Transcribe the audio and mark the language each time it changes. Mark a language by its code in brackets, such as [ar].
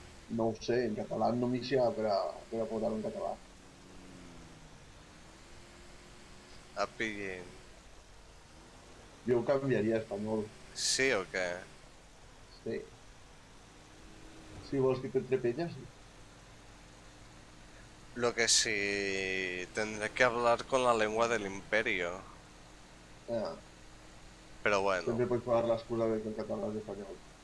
[ca] No ho sé, en català no m'hi sé per a portar en català. Ah, pillen. Jo ho canviaria a espanyol. Sí o què? Si vols que t'entre penya, sí. [es] Lo que sí, tendré que hablar con la lengua del imperio. Ah. [ca] Però bueno. Sempre pots parlar l'excusa de que el català és espanyol.